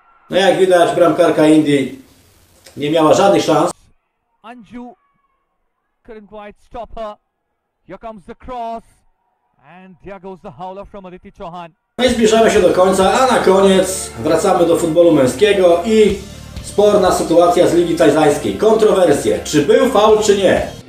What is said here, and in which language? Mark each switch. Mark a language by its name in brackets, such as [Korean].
[Polish] No jak widać, bramkarka Indii nie miała żadnych szans. [English] Anju couldn't quite stop her. Here comes the cross and here goes the howler from Aditi Chauhan. [Polish] No i zbliżamy się do końca, a na koniec wracamy do futbolu męskiego i sporna sytuacja z Ligi Tajlandzkiej. Kontrowersje, czy był faul, czy nie?